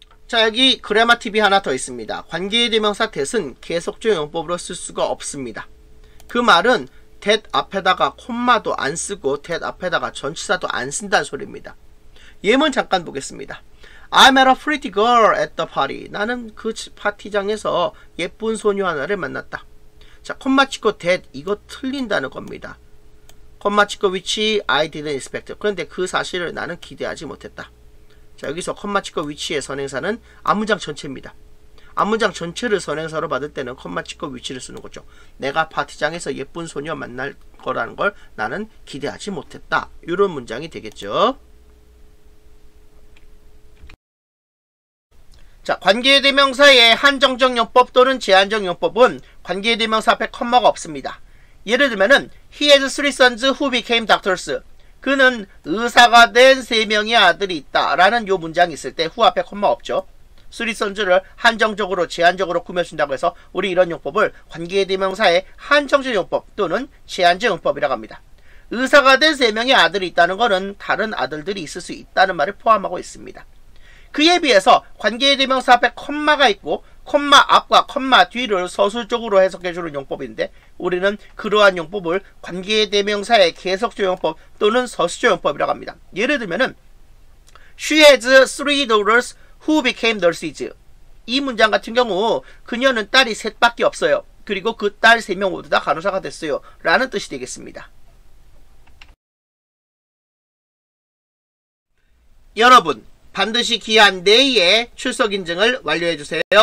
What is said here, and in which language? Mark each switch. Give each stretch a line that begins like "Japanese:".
Korean: 자, 여기 그래마 팁이 하나 더 있습니다. 관계대명사 that은 계속적 용법으로 쓸 수가 없습니다. 그 말은 that 앞에다가 콤마도 안 쓰고 that 앞에다가 전치사도 안 쓴다는 소리입니다. 예문 잠깐 보겠습니다.
English: I met a pretty girl at the party.
Korean: 나는 그 파티장에서 예쁜 소녀 하나를 만났다. 자, 콤마 찍고 that 이거 틀린다는 겁니다. 콤마 찍고 위치
English: I didn't expect.
Korean: 그런데 그 사실을 나는 기대하지 못했다. 자, 여기서 콤마 찍고 위치의 선행사는 앞문장 전체입니다. 앞문장 전체를 선행사로 받을 때는 콤마 찍고 위치를 쓰는 거죠. 내가 파티장에서 예쁜 소녀 만날 거라는 걸 나는 기대하지 못했다. 이런 문장이 되겠죠. 자, 관계대명사의 한정적 용법 또는 제한적 용법은 관계대명사 앞에 콤마가 없습니다. 예를 들면은
English: He has three sons who became doctors.
Korean: 그는 의사가 된 세 명의 아들이 있다 라는 요 문장이 있을 때 후 앞에 콤마 없죠. 쓰리 선즈를 한정적으로 제한적으로 꾸며준다고 해서 우리 이런 용법을 관계대명사의 한정적 용법 또는 제한적 용법이라고 합니다. 의사가 된 세 명의 아들이 있다는 것은 다른 아들들이 있을 수 있다는 말을 포함하고 있습니다. 그에 비해서 관계대명사 앞에 콤마가 있고 콤마 앞과 콤마 뒤를 서술적으로 해석해주는 용법인데 우리는 그러한 용법을 관계대명사의 계속적 용법 또는 서술적 용법이라고 합니다. 예를 들면
English: She has three daughters who became nurses.
Korean: 이 문장 같은 경우 그녀는 딸이 셋밖에 없어요. 그리고 그 딸 세 명 모두 다 간호사가 됐어요. 라는 뜻이 되겠습니다. 여러분, 반드시 기한 내에 출석 인증을 완료해 주세요.